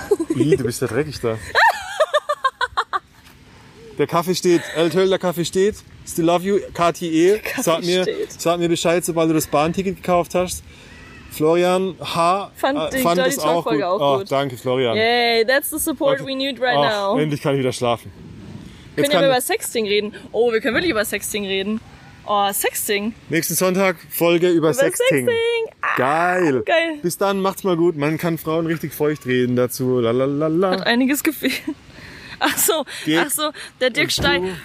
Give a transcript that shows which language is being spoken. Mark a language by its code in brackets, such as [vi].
[de] Wie, du bist ja dreckig da. Der Kaffee steht, El Töll, der Kaffee steht. [en] Still love you, [de] KTE. Sag mir Bescheid, sobald du das Bahnticket gekauft hast. Florian H. Fand das auch gut. Oh, danke, Florian. [en] Yay, that's the support we need right now. [de] Endlich kann ich wieder schlafen. Jetzt können wir über Sexting reden? Oh, wir können wirklich über Sexting reden. Oh, Sexting. Nächsten Sonntag Folge über Sexting. Sexting. Geil. Bis dann, macht's mal gut. Man kann Frauen richtig feucht reden dazu. Lalalala. Hat einiges gefehlt. Ach so, der Dirk Stein.